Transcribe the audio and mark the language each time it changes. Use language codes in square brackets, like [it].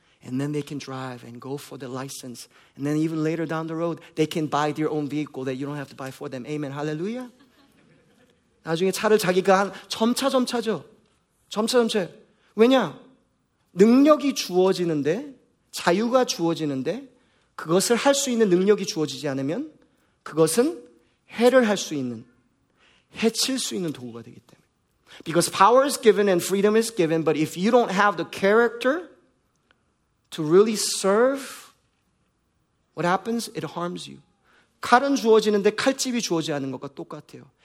[en] And then they can drive and go for the license. And then even later down the road, they can buy their own vehicle that you don't have to buy for them. Amen. Hallelujah. [ko] 나중에 차를 자기가 점차죠. 점차. 왜냐? 능력이 주어지는데, 자유가 주어지는데, 그것을 할 수 있는 능력이 주어지지 않으면 그것은 해를 할 수 있는, 해칠 수 있는 도구가 되기 때문에. [en] Because power is given and freedom is given, but if you don't have the character to really serve, what happens? It harms you. [ko] 칼은 주어지는데 칼집이 주어지지 않는 것과 똑같아요.